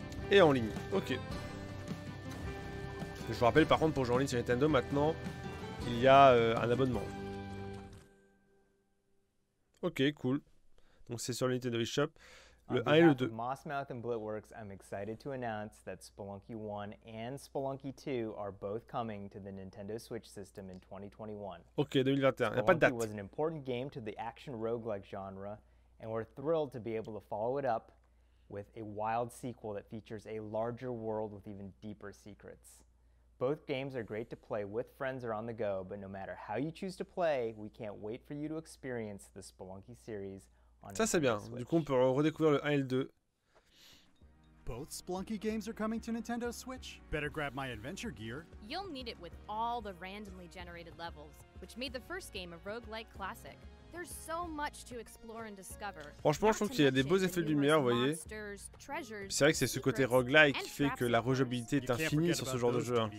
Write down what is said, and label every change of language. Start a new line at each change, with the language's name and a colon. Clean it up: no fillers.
French: Et en ligne, ok. Je vous rappelle par contre, pour jouer en ligne sur Nintendo maintenant, il y a un abonnement. Ok, cool. Donc c'est sur le Nintendo eShop, le 1 et le 2.
English: Mossmouth and Blitworks, I'm excited to announce that Spelunky 1 and Spelunky 2 are both coming to the Nintendo Switch system in 2021.
French: Ok, 2021, il n'y a pas de date.
English: Spelunky was an important game to the action roguelike genre. And we're thrilled to be able to follow it up with a wild sequel that features a larger world with even deeper secrets. Both games are great to play with friends or on the go, but no matter how you choose to play, we can't wait for you to experience the Spelunky series on
French: Nintendo Switch. Ça c'est bien. Du coup, on peut redécouvrir le 1 et le 2. Both Spelunky games are coming to Nintendo Switch. Better grab my adventure gear. You'll need it with all the randomly generated levels, which made the first game a roguelike classic. There's so much to explore and discover. Franchement, je trouve qu'il y a des beaux effets de lumière, vous voyez. C'est vrai que c'est ce côté roguelike qui fait que la rejouabilité est infinie sur ce genre de jeu.